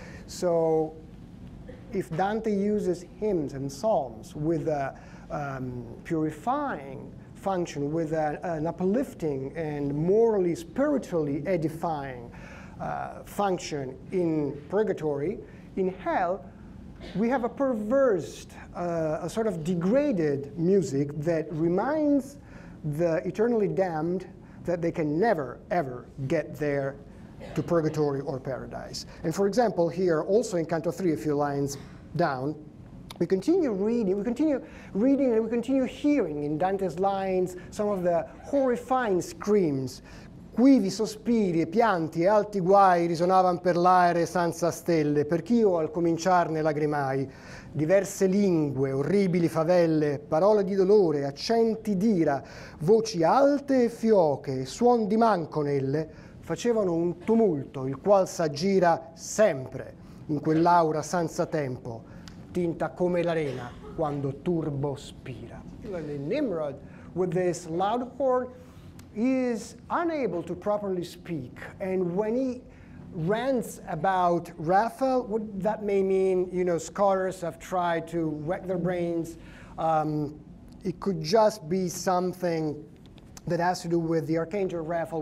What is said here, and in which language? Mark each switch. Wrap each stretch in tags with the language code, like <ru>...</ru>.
<en>So if Dante uses hymns and psalms with a purifying function, with an uplifting and morally, spiritually edifying function in purgatory, in hell, we have a perverse, a sort of degraded music that reminds the eternally damned that they can never, ever get there to purgatory or paradise. And for example, here, also in Canto 3, a few lines down, we continue reading, and we continue hearing in Dante's lines some of the horrifying screams.</en> <it>Quivi sospiri e pianti e alti guai risonavan per l'aere senza stelle, perch'io al cominciarne lagrimai. Diverse lingue, orribili favelle, parole di dolore, accenti d'ira, voci alte e fioche, suon di manconelle, facevano un tumulto il qual s'aggira sempre in quell'aura senza tempo, tinta come l'arena quando turbo spira.</it> <en>And Nimrod, with this loud horn, is unable to properly speak. And when he rants about Raphael, what that may mean, you know, scholars have tried to wreck their brains. It could just be something that has to do with the archangel Raphael.</en>